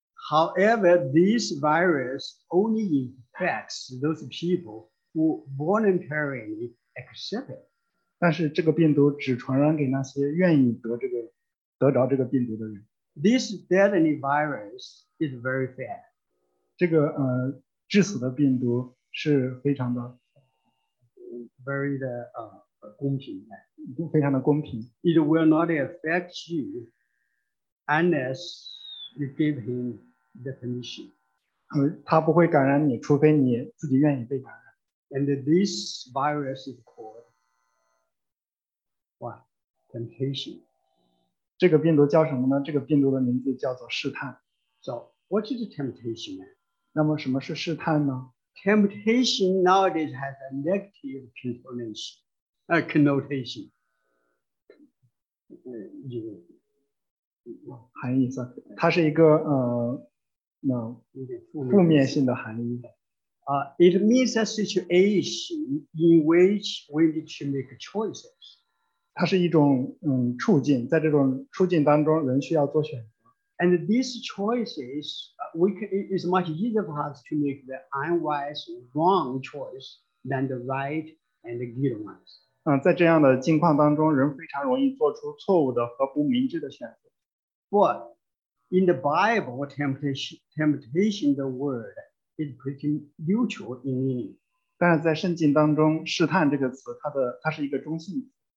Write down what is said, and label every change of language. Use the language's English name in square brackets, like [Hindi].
[English] However, this virus only infects those people who voluntarily accept it. [Chinese] 但是这个病毒只传染给那些愿意得着这个病毒的人。 [English] This deadly virus is very fast. [Chinese] 这个致死的病毒是非常的 [English] very [Chinese] 的公平非常的公平 [English] It will not affect you unless you give him the permission [Chinese] 它不会感染你 除非你自己愿意被感染 [English] And this virus is called what? Temptation [Chinese] 这个病毒叫什么呢 这个病毒的名字叫做试探 [English] So what is temptation man? [Chinese] 那么什么是试探呢? [English] Temptation nowadays has a negative connotation. connotation. It means a situation in which we need to make choices. [Chinese] 它是一种处境, 在这种处境当中, 人需要做选择。 [English] And these choices, it's much easier for us to make the unwise wrong choice than the right and the good ones. [Chinese] 在这样的境况当中, 人非常容易做出错误的和不明智的选择。 [English] But in the Bible, temptation, the word, is pretty neutral in meaning. [Chinese] 但在圣经当中, 试探这个词, 它是一个中性词。